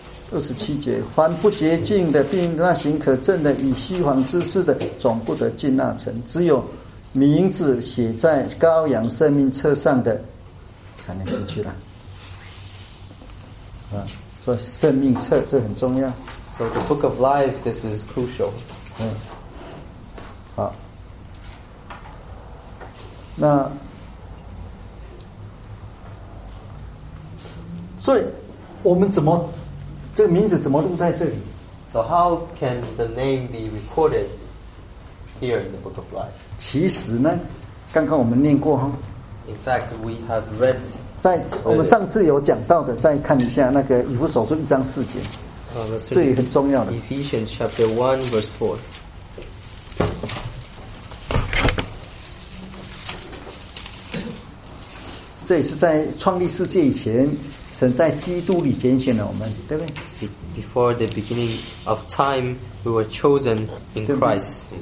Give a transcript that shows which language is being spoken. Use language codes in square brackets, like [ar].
[zh] 二十七节，凡不洁净的，并那行可证的，以虚谎之事的，总不得进那城。只有名字写在羔羊生命册上的，才能进去了。啊，所以生命册这很重要。 [en] So the book of life, this is crucial. [zh] 嗯，好，那。所以我们怎么这个名字怎么录在这里 [en] ？So how can the name be recorded here in the Book of Life？ [zh] 其实呢，刚刚我们念过哈。 [en] In fact, we have read. [zh] 在我们上次有讲到的，再看一下那个以弗所书一章四节。这也很重要的。 [en] Ephesians chapter 1 verse 4. [zh] 这也是在创立世界以前，神在基督里拣选了我们，对不对？ [en] Before the beginning of time, we were chosen in Christ.